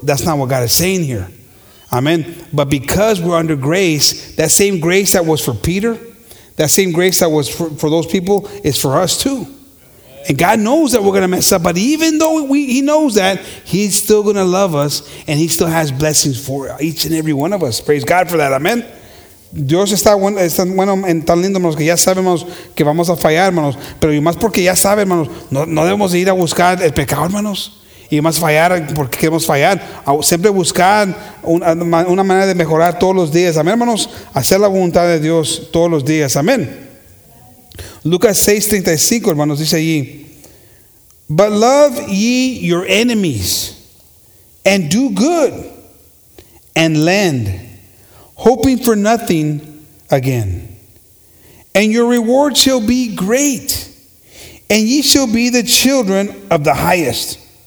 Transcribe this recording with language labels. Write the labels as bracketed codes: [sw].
[en] That's not what God is saying here. Amen. But because we're under grace, that same grace that was for Peter, that same grace that was for those people is for us too. And God knows that we're going to mess up, but even though he knows that, he's still going to love us, and he still has blessings for each and every one of us. Praise God for that. Amen. [es] Dios está bueno en tan lindo, hermanos, que ya sabemos que vamos a fallar, hermanos. Pero y más porque ya sabe, hermanos, no debemos ir a buscar el pecado, hermanos. Y más fallar porque queremos fallar. Siempre buscar una manera de mejorar todos los días. Amén, hermanos. Hacer la voluntad de Dios todos los días. Amén. Lucas 6:35, hermanos, dice allí. [en] But love ye your enemies, and do good, and lend, hoping for nothing again. And your reward shall be great, and ye shall be the children of the highest.